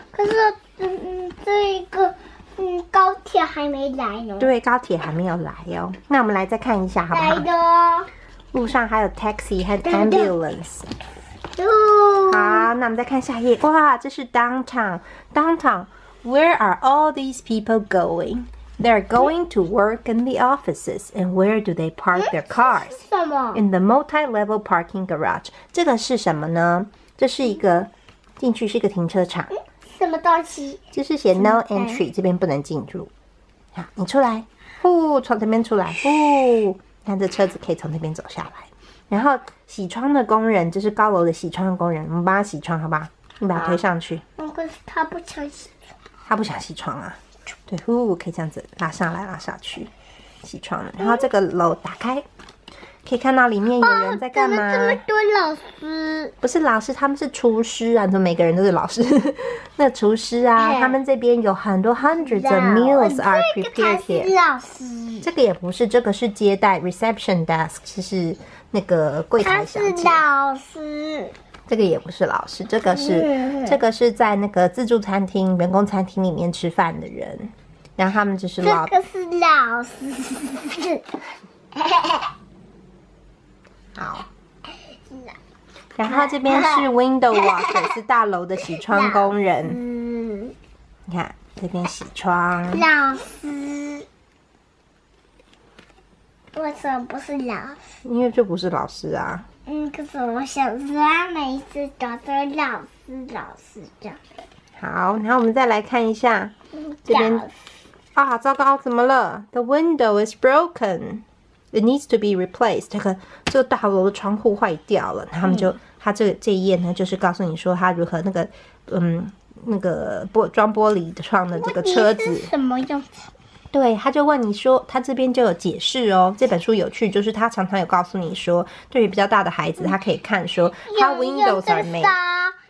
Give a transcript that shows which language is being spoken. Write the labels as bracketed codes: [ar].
[zh] 可是，这一个，高铁还没来呢。对，高铁还没有来哦。那我们来再看一下，好不好？来的哦。路上还有 taxi 和 ambulance。好，那我们再看下一页。哇，这是 downtown。 [en] downtown， where are all these people going？ They're going to work in the offices， and where do they park their cars？ [zh] 是什么？ [en] In the multi-level parking garage。 [zh] 这个是什么呢？这是一个进去是一个停车场，什么东西？就是写 no entry， 这边不能进入。好，你出来，呼，从这边出来，呼，看这车子可以从那边走下来。然后洗窗的工人，就是高楼的洗窗工人，我们帮他洗窗，好吧？你把他推上去。可是他不想洗窗，他不想洗窗啊。对，呼，可以这样子拉上来，拉下去，洗窗。然后这个楼打开。可以看到里面有人在干嘛？怎么这么多老师？不是老师，他们是厨师啊！怎么每个人都是老师？那厨师啊，他们这边有很多 [en] hundreds of meals are prepared here。 [zh] 这个也不是，这个是接待 reception desk， 就是那个柜台小姐。他是老师。这个也不是老师，这个是在那个自助餐厅、员工餐厅里面吃饭的人，然后他们就是老。这个是老师。好，然后这边是 window washer， 是大楼的洗窗工人。你看这边洗窗。老师，为什么不是老师？因为这不是老师啊。可是我小时候每一次都是老师这样。好，然后我们再来看一下这边。啊，糟糕，怎么了 [en] ？The window is broken. It needs to be replaced. [zh] 这个大楼的窗户坏掉了。他们就他这一页呢，就是告诉你说他如何那个那个装玻璃窗的这个车子是什么用？对，他就问你说，他这边就有解释哦。这本书有趣，就是他常常有告诉你说，对于比较大的孩子，他可以看说 ， [en] How windows are made？